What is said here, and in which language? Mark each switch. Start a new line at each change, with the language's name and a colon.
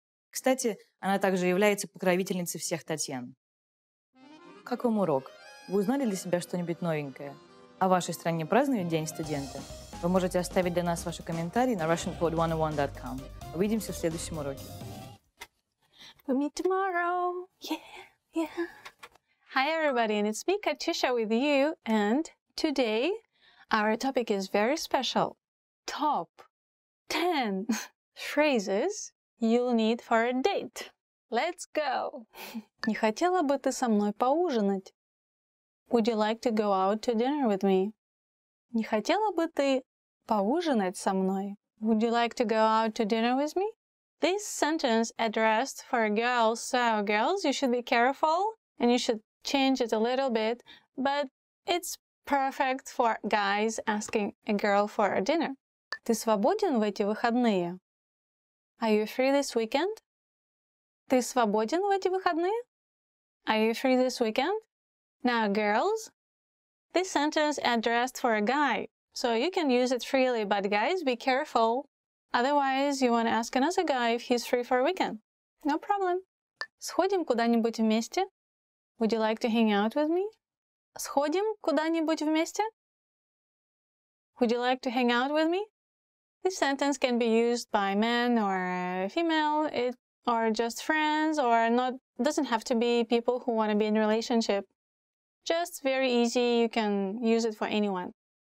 Russian: Кстати, она также является покровительницей всех Татьян. Как вам урок? Вы узнали для себя что-нибудь новенькое? О вашей стране празднуют День студента? Вы можете оставить для нас ваши комментарии на russianpod101.com. Увидимся в следующем уроке.
English: We meet tomorrow. Yeah. Hi, everybody, and it's me, Katyusha, with you. And today, our topic is very special. Top 10 phrases you'll need for a date. Let's go.
Russian: Не хотела бы ты со мной поужинать?
English: Would you like to go out to dinner with me?
Russian: Не хотела бы ты поужинать со мной?
English: Would you like to go out to dinner with me? This sentence addressed for a girl, so girls, you should be careful and you should change it a little bit, but it's perfect for guys asking a girl for a dinner.
Russian: Ты свободен в эти выходные?
English: Are you free this weekend?
Russian: Ты свободен в эти выходные?
English: Are you free this weekend? Now, girls, this sentence addressed for a guy, so you can use it freely, but guys, be careful. Otherwise, you want to ask another guy if he's free for a weekend. No problem.
Russian: Сходим куда-нибудь вместе?
English: Would you like to hang out with me?
Russian: Сходим куда-нибудь вместе?
English: Would you like to hang out with me? This sentence can be used by men or female, or just friends, or not. Doesn't have to be people who want to be in a relationship. Just very easy, you can use it for anyone.